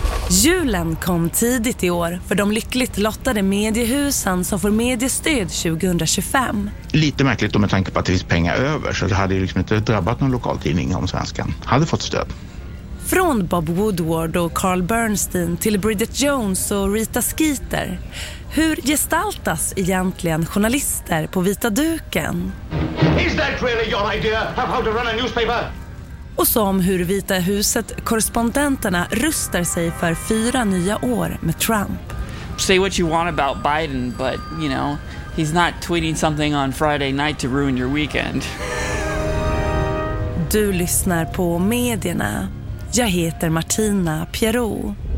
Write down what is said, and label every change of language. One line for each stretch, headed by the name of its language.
Swedish: Julen kom tidigt i år för de lyckligt lottade mediehusen som får mediestöd 2025. Lite märkligt med tanke på att det finns pengar över, så det hade liksom inte drabbat någon lokaltidning om Svenskan hade fått stöd. Från Bob Woodward och Carl Bernstein till Bridget Jones och Rita Skeeter. Hur gestaltas egentligen journalister på vita duken?
English: Is that really your idea of how to run a newspaper?
Swedish: Och som hur Vita huset-korrespondenterna rustar sig för fyra nya år med Trump.
English: Say what you want about Biden, but you know, he's not tweeting something on Friday night to ruin your weekend.
Swedish: Du lyssnar på medierna. Jag heter Martina Pierrot.